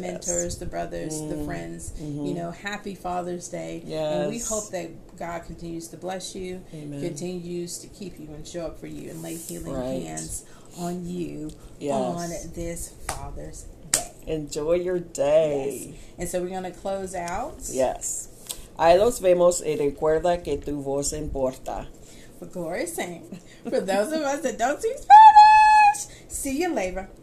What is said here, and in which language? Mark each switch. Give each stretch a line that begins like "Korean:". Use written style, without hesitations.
English: the mentors, the brothers, the friends, you know, happy Father's Day. Yes. And we hope that God continues to bless you, amen. Continues to keep you and show up for you and lay healing hands on you on this Father's Day. Enjoy your day. Yes. And so we're going to close out. Yes.
Spanish: Ahí los vemos y recuerda que tu voz importa.
English: For glory sing. For those of us that don't speak Spanish, see you later.